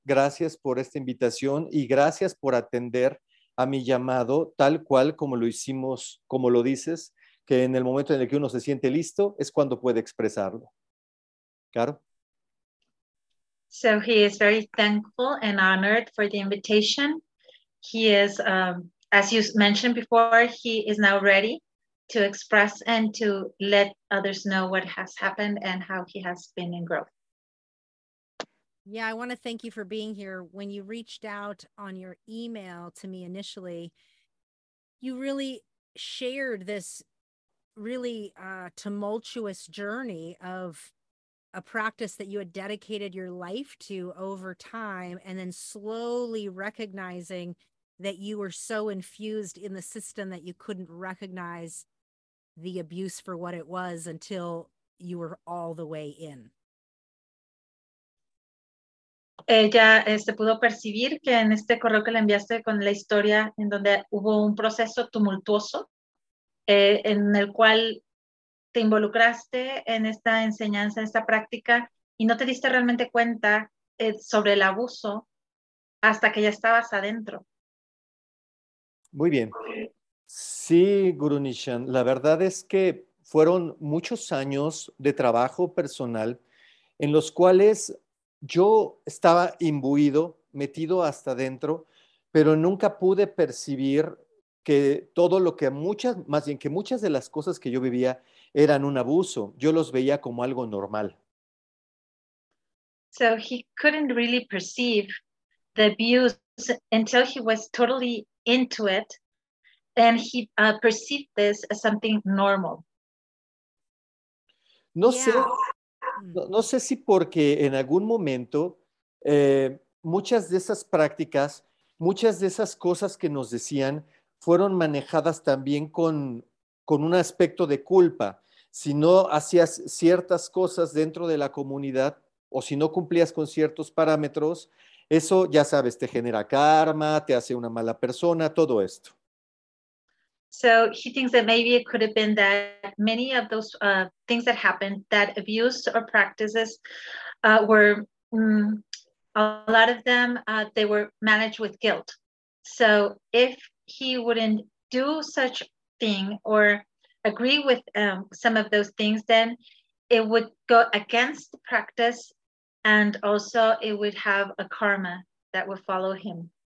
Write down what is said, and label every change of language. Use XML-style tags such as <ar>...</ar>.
<es>Gracias por esta invitación y gracias por atender a mi llamado tal cual como lo hicimos, como lo dices, que en el momento en el que uno se siente listo es cuando puede expresarlo. Caro.</es> <en>So he is very thankful and honored for the invitation. He is, as you mentioned before, he is now ready to express and to let others know what has happened and how he has been in growth. Yeah, I want to thank you for being here. When you reached out on your email to me initially, you really shared this really tumultuous journey of a practice that you had dedicated your life to over time, and then slowly recognizing that you were so infused in the system that you couldn't recognize the abuse for what it was until you were all the way in.</en> <es>Ella se pudo percibir que en este correo que le enviaste con la historia en donde hubo un proceso tumultuoso en el cual te involucraste en esta enseñanza, en esta práctica y no te diste realmente cuenta sobre el abuso hasta que ya estabas adentro. Muy bien. Sí, Guru Nishan, la verdad es que fueron muchos años de trabajo personal en los cuales yo estaba imbuido, metido hasta adentro, pero nunca pude percibir que todo lo que muchas, más bien que muchas de las cosas que yo vivía eran un abuso. Yo los veía como algo normal.</es> <en>So he couldn't really perceive the abuse until he was totally into it. And he perceived this as something normal.</en> <es>No sé si porque en algún momento muchas de esas prácticas, muchas de esas cosas que nos decían fueron manejadas también con un aspecto de culpa. Si no hacías ciertas cosas dentro de la comunidad o si no cumplías con ciertos parámetros, eso ya sabes, te genera karma, te hace una mala persona, todo esto.</es> <en>So he thinks that maybe it could have been that many of those things that happened, that abuse or practices were, a lot of them, they were managed with guilt. So if he wouldn't do such thing or agree with some of those things, then it would go against the practice and also it would have a karma that would follow him.</en>